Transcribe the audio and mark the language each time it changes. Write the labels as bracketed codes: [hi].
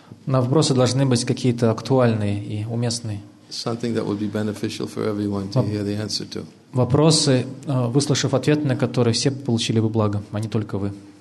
[ru] На вопросы должны быть какие-то актуальные и уместные. [en] Something that would be beneficial for everyone to hear the answer to. [ru] Вопросы, выслушав ответ, на которые все получили бы благо, а не только вы.